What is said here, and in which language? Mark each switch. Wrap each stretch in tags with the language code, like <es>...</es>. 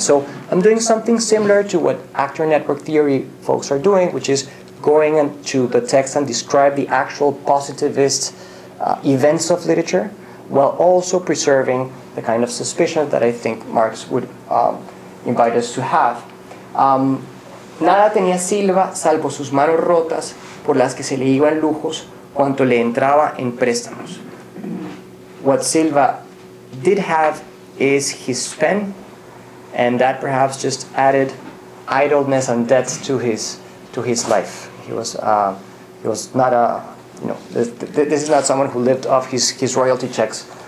<en>So I'm doing something similar to what actor network theory folks are doing, which is going into the text and describe the actual positivist events of literature, while also preserving the kind of suspicion that I think Marx would invite us to have.</en> <es>Nada tenía Silva salvo sus manos rotas por las que se le iban lujos cuanto le entraba en préstamos.</es> <en>What Silva did have is his pen, and that perhaps just added idleness and debt to his life. He was not a, you know, this is not someone who lived off his royalty checks.</en>